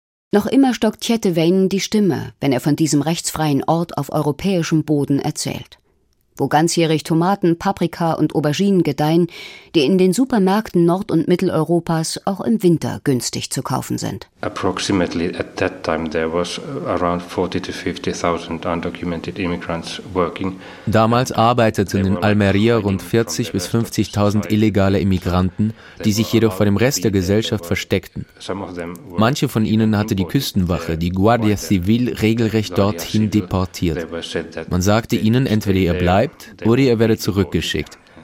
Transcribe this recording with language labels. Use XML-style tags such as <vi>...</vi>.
<de>Noch immer stockt Tietäväinen die Stimme, wenn er von diesem rechtsfreien Ort auf europäischem Boden erzählt. Wo ganzjährig Tomaten, Paprika und Auberginen gedeihen, die in den Supermärkten Nord- und Mitteleuropas auch im Winter günstig zu kaufen sind.</de> <en>Approximately at that time there was around 40 to 50,000 undocumented immigrants working.</en> <de>Damals arbeiteten in Almería rund 40 bis 50.000 illegale Immigranten, die sich jedoch vor dem Rest der Gesellschaft versteckten. Manche von ihnen hatte die Küstenwache, die Guardia Civil, regelrecht dorthin deportiert. Man sagte ihnen, entweder ihr bleibt oder ihr werdet zurückgeschickt.</de>